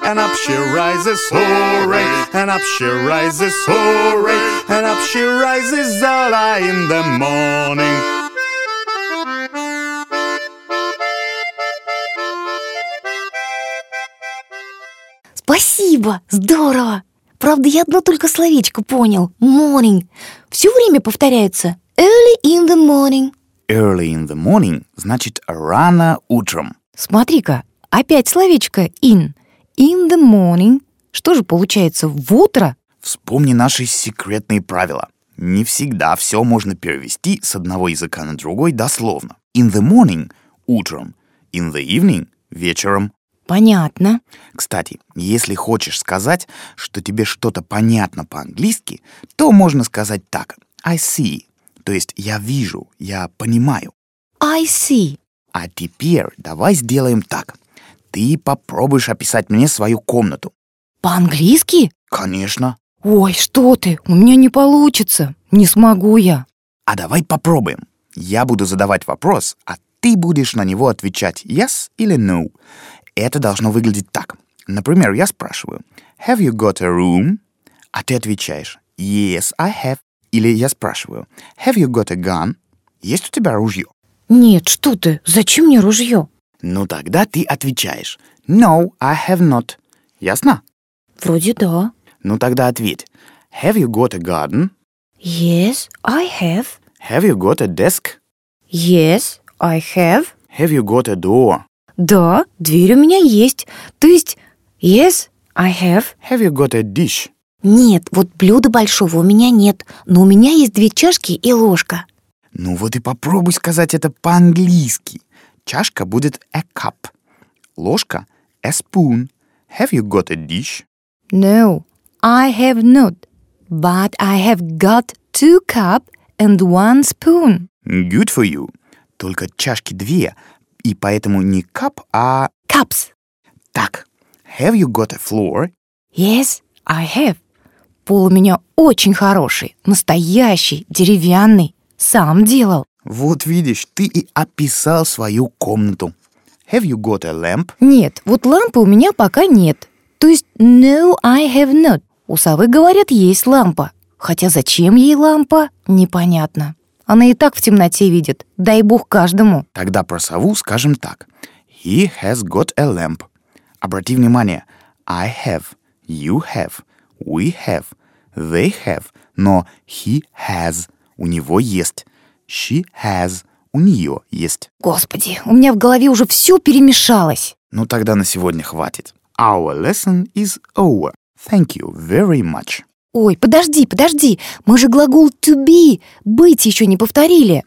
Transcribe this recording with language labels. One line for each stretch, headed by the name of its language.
English: And up she rises, hooray! And up she rises, hooray! And up she rises early in the morning.
Russian: Спасибо! Здорово! Правда, я одно только словечко понял.
English: Morning.
Russian: Все время повторяется.
English: Early in the morning. Early in the morning
Russian: значит рано утром. Смотри-ка, опять словечко in.
English: In the morning.
Russian: Что же получается в утро? Вспомни наши секретные правила. Не всегда все можно перевести с одного языка на другой дословно.
English: In the morning – утром. In the evening – вечером.
Russian: Понятно. Кстати, если хочешь сказать, что тебе что-то понятно по-английски, то можно сказать так:
English: I see.
Russian: То есть я вижу, я понимаю.
English: I see.
Russian: А теперь давай сделаем так. Ты попробуешь описать мне свою комнату. По-английски? Конечно. Ой, что ты, у меня не получится. Не смогу я. А давай попробуем. Я буду задавать вопрос, а ты будешь на него отвечать yes или no. Это должно выглядеть так. Например, я спрашиваю:
English: Have you got a room?
Russian: А ты отвечаешь:
English: Yes, I have.
Russian: Или я спрашиваю:
English: Have you got a gun?
Russian: Есть у тебя ружье? Нет, что ты? Зачем мне ружье? Ну тогда ты отвечаешь:
English: No, I have not.
Russian: Ясно? Вроде да. Ну тогда ответь:
English: Have you got a garden? Yes, I have. Have you got a desk? Yes, I have. Have you got a door?
Russian: Да, дверь у меня есть. То есть,
English: yes, I have. Have you got a dish?
Russian: Нет, вот блюда большого у меня нет. Но у меня есть две чашки и ложка. Ну вот и попробуй сказать это по-английски. Чашка будет a cup. Ложка a spoon.
English: Have you got a dish? No, I have not. But I have got two cups and one spoon. Good for you.
Russian: Только чашки две. И поэтому не cup, а...
English: Cups. Так, have you got a floor? Yes, I have.
Russian: Пол у меня очень хороший, настоящий, деревянный. Сам делал. Вот видишь, ты и описал свою комнату.
English: Have you got a lamp?
Russian: Нет, вот лампы у меня пока нет. То есть,
English: no, I have not.
Russian: У совы, говорят, есть лампа. Хотя зачем ей лампа, непонятно. Она и так в темноте видит. Дай бог каждому. Тогда про сову скажем так.
English: He has got a lamp.
Russian: Обрати внимание.
English: I have, you have, we have, they have.
Russian: Но
English: he has,
Russian: у него есть.
English: She has,
Russian: у нее есть. Господи, у меня в голове уже все перемешалось. Ну тогда на сегодня хватит.
English: Our lesson is over. Thank you very much.
Russian: Ой, подожди, подожди, мы же глагол to be, быть, еще не повторили.